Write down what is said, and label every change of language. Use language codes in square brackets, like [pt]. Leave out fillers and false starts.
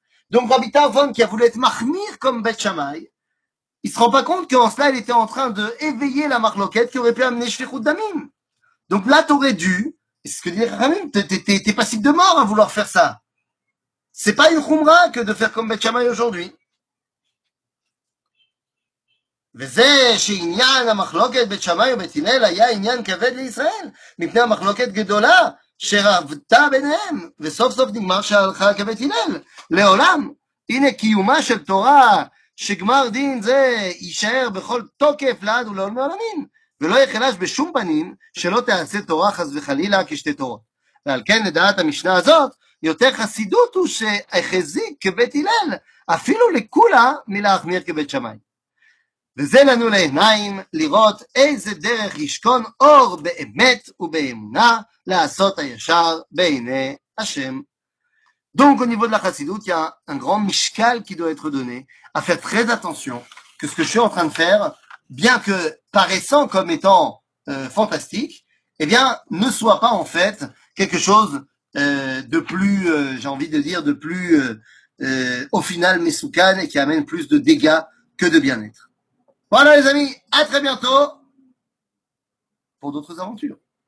[fr] Donc, Rabbi Tarfon, qui a voulu être machmir comme Beth Shammai, il se rend pas compte qu'en cela, il était en train de éveiller la machloket qui aurait pu amener Shlichut Damim. Donc là, t'aurais dû, c'est ce que dit Ramim, t'es passible de mort à vouloir faire ça. C'est pas une khumra que de faire comme Beth Shammai aujourd'hui. [he] וזה שעניין המחלוקת בית שמאי ובית הלל היה עניין כבד לישראל מפני המחלוקת גדולה שרבתה ביניהם וסוף סוף נגמר שהלכה כבית הלל לעולם הנה קיומה של תורה שגמר דין זה יישאר בכל תוקף לעד ולעולם העולמים ולא יחלש בשום פנים שלא תעשה תורה חס וחלילה כשתי תורה ועל כן לדעת המשנה הזאת יותר חסידות הוא שהחזיק כבית הלל אפילו לכולה מלהחמיר כבית שמאי וזה לנו לעיניים לראות איזה דרך ישכון אור באמת ובאמונה לעשות הישר בעיני השם. [fr] Donc au niveau de la chassidut, il y a un grand mishkal qui doit être donné à faire très attention que ce que je suis en train de faire, bien que paraissant comme étant fantastique, eh bien ne soit pas en fait quelque chose de plus, j'ai envie de dire, de plus au final mesoukan et qui amène plus de dégâts que de bien-être. Voilà les amis, à très bientôt pour d'autres aventures.